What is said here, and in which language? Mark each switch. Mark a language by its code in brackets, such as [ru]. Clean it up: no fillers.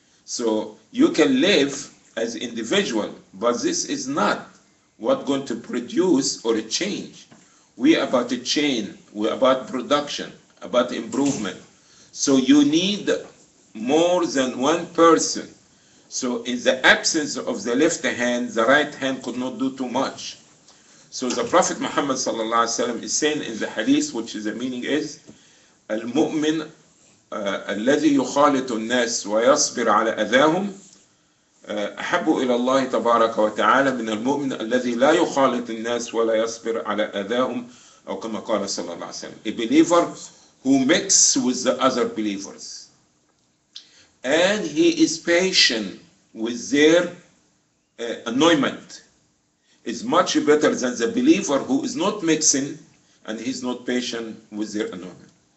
[en] So you can live as individual, but this is not what going to produce or change. We are about to change, we're about production, about improvement. So you need more than one person. So in the absence of the left hand, the right hand could not do too much. So the Prophet Muhammad sallallahu alaihi wasallam is saying in the hadith, which is the meaning is, [ar] Al-mu'min الذي يخالط الناس ويصبر على أذاهم أحب إلى الله تبارك وتعالى من المؤمن الذي لا يخالط الناس ولا يصبر على أذاهم أو كما قال صلى الله عليه وسلم. [en] A believer who mixes with the other believers and he is patient with their annoyment is much better than the believer who is not mixing and he's not patient with their annoyment.